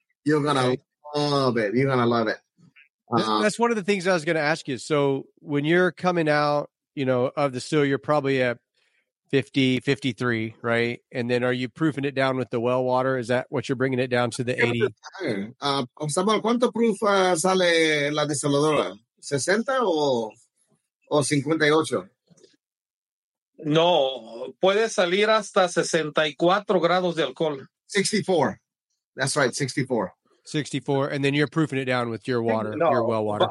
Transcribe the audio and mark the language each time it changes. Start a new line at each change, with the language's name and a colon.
English: You're going to love it. You're going to love it. That's one of the things I was going to ask you. So when you're coming out, you know, of the still, you're probably at 50, 53, right? And then are you proofing it down with the well water? Is that what you're bringing it down to the 80?
Spanish: Samuel, ¿cuánto proof sale la desaladora? ¿60 o 58? No, puede salir hasta 64 grados de alcohol.
English: 64. That's right, 64. 64, and then you're proofing it down with your water, no, your well water.